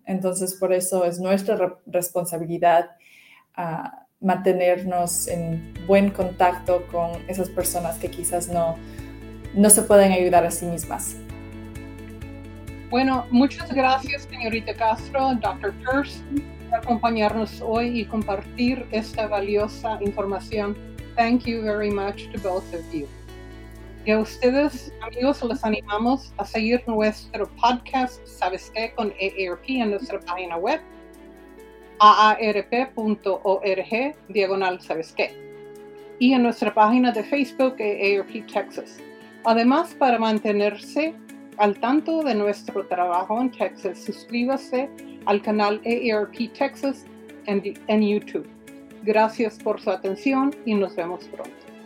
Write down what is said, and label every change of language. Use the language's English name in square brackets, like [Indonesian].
[Spanish] Entonces, por eso es nuestra responsabilidad mantenernos en buen contacto con esas personas que quizás no se pueden ayudar a sí mismas. Bueno, muchas gracias, señorita Castro, Dr. Peirce, por acompañarnos hoy y compartir esta valiosa información. [English] Thank you very much to both of you. [Spanish] Y a ustedes, amigos, les animamos a seguir nuestro podcast, ¿Sabes qué? Con AARP en nuestra página web, aarp.org/sabes qué. Y en nuestra página de Facebook, AARP Texas. Además, para mantenerse al tanto de nuestro trabajo en Texas, suscríbase al canal AARP Texas en YouTube. Gracias por su atención y nos vemos pronto.